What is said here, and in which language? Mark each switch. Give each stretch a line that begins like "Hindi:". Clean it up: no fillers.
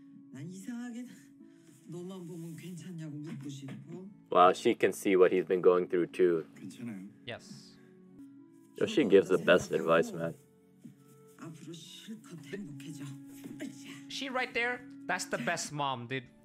Korean: 난 이상하게 너만 보면 괜찮냐고 묻고 싶어.
English: Wow, she can see what he's been going through too.
Korean: 괜찮아요.
English: Yes. Yo, she gives the best advice, man.
Korean: 앞으로 실컷 행복해져. 아이씨.
English: She right there, that's the best mom, dude.